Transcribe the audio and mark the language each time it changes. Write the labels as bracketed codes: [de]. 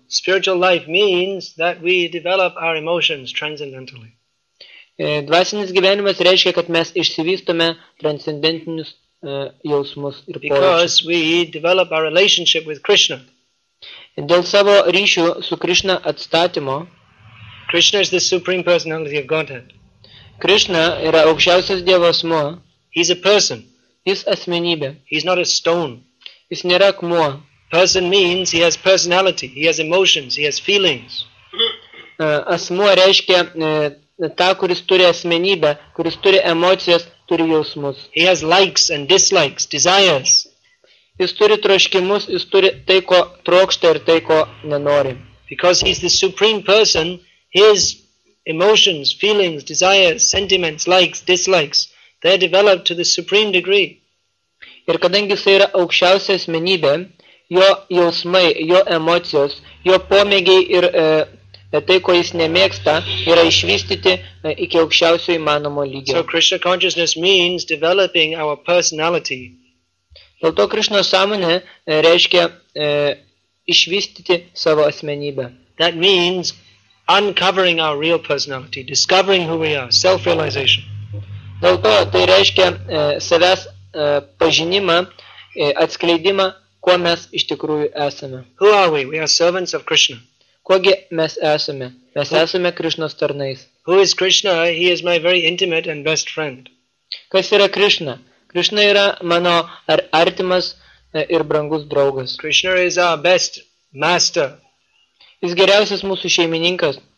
[en] Spiritual life means that we develop our emotions transcendentally. [lt] Dvasinis gyvenimas reiškia, kad mes išsivystome transcendentinius jausmus ir pojūčius. [en] Because we develop our relationship with Krishna. [lt] Dėl savo ryšių su Krishna atstatymo. [en] Krishna is the supreme personality of Godhead. [lt] Krishna yra aukščiausias Dievo asmuo. [en] He's a person. [lt] Jis asmenybė. [en] He's not a stone. [lt] Jis nėra akmuo. [en] Person means he has personality, he has emotions, he has feelings. [lt] Asmuo reiškia tą, kuris turi asmenybę, kuris turi emocijas, turi jausmus. [en] He has likes and dislikes, desires. [lt] Jis turi troškimus, jis turi tai, ko trokšta ir tai, ko nenori. [en] Because he's the supreme person, his emotions, feelings, desires, sentiments, likes, dislikes, they are developed to the supreme degree. [lt] Ir kadangi jis yra aukščiausia asmenybė, jo jausmai, jo emocijos, jo pomėgiai ir tai, ko jis nemėgsta, yra išvystyti iki aukščiausio įmanomo lygio. [en] So Krishna consciousness means developing our personality. [lt] Dėl to Krishna sąmonė reiškia išvystyti savo asmenybę. [en] That means uncovering our real personality, discovering who we are, self-realization. [lt] Dėl to tai reiškia savęs pažinimą, atskleidimą, kuo mes iš tikrųjų esame. [en] Who are we? We are servants of Krishna. [lt] Kogi mes esame? Mes esame Krishnos tarnais. [en] Who is Krishna? He is my very intimate and best friend. [lt] Kas yra Krishna? Krishna yra mano artimas ir brangus draugas. [en] Krishna is our best master. [lt] Jis geriausias mūsų šeimininkas.